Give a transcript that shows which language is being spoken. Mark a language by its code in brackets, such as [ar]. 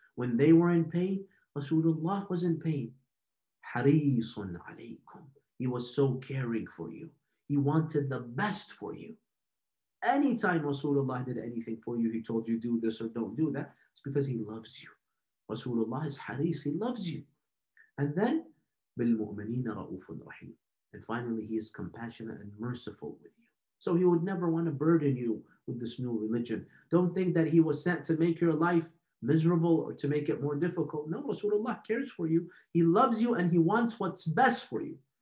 [en] When they were in pain, Rasulullah was in pain. [ar] حَرِيصٌ عَلَيْكُمْ. [en] He was so caring for you. He wanted the best for you. Anytime Rasulullah did anything for you, he told you do this or don't do that, it's because he loves you. Rasulullah is haris, he loves you. And then, [ar] بِالْمُؤْمَنِينَ رَؤُوفٌ رَحِيمٌ. [en] And finally, he is compassionate and merciful with you. So he would never want to burden you with this new religion. Don't think that he was sent to make your life miserable or to make it more difficult. No, Rasulullah cares for you. He loves you and he wants what's best for you.